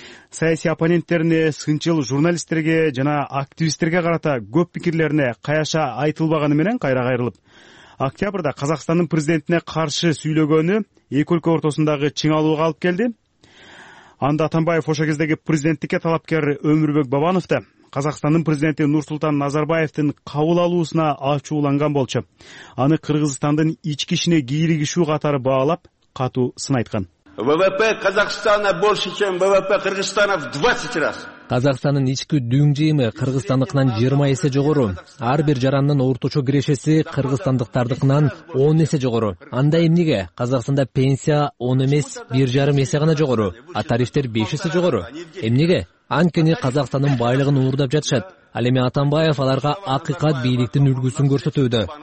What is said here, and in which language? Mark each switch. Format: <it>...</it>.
<ky>Саясий оппоненттерине, сынчыл журналисттерге жана активисттерге карата көп пикирлерине каяша айтылбаганы менен кайра кайрылып, октябрда Казакстандын президентине каршы сүйлөгөнү эки өлкө ортосундагы чыңалууга алып келди. Анда Атамбаев ошол кездеги президенттикке талапкер Өмүрбек Бабановду Казакстандын президенти Нурсултан Назарбаевдин кабыл алуусуна ачууланган болчу. Аны Кыргызстандын ички ишине кийлигишүү катары баалап, катуу сын айткан.</ky> <ru>ВВП Казахстана больше, чем ВВП Кыргызстана в 20 раз.</ru> <ky>Казахстандын ички дүң жыйымы Кыргызстандыкынан 20 эсе жогору. Ар бир жарандын орточо кирешеси Кыргызстандыктардыкынан 10 эсе жогору. Анда эмнеге? Казахстанда пенсия 10 эмес, 1.5 эсе гана жогору, а тарифтер 5 эсе жогору. Эмнеге? Анткени Казахстандын байлыгын уурдап жатышат. Ал эми Атамбаев аларга акыйкат бийликтин үлгүсүн көрсөтүүдө.</ky>